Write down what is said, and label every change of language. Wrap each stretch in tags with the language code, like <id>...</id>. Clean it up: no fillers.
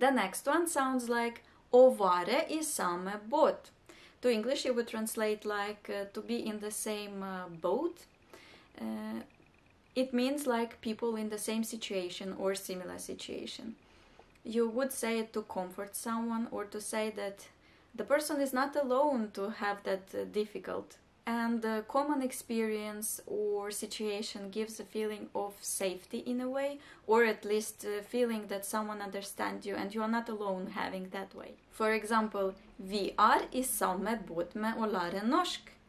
<en>The next one sounds like</en> <no>å være i samme båt.</no> <en>To English, you would translate like to be in the same boat. It means like people in the same situation or similar situation. You would say it to comfort someone or to say that the person is not alone to have that difficult. And the common experience or situation gives a feeling of safety in a way, or at least a feeling that someone understands you and you are not alone having that way. For example,</en> <no>vi i samme båt med å lære norsk.</no>